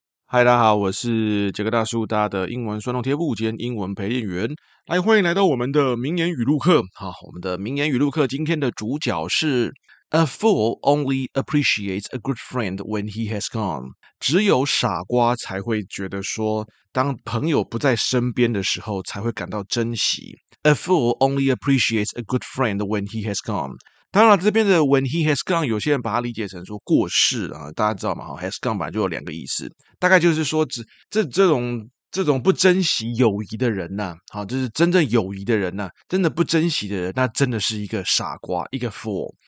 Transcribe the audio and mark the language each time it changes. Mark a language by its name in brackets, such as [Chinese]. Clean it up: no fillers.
[Chinese] 嗨，大家好，我是杰克大叔，大家的英文酸痛贴布兼英文陪练员。来，欢迎来到我们的名言语录课。好，我们的名言语录课今天的主角是 [English] A fool only appreciates a good friend when he has gone。 [Chinese] 只有傻瓜才会觉得说，当朋友不在身边的时候才会感到珍惜。 [English] A fool only appreciates a good friend when he has gone。 [Chinese] 当然了，这边的 [English] when he has gone， [Chinese] 有些人把它理解成说过世啊，大家知道吗？ [English] has gone [Chinese] 本来就有两个意思，大概就是说这种不珍惜友谊的人呢、啊，好、啊，就是真正友谊的人呢、啊，真的不珍惜的人，那真的是一个傻瓜，一个 fool。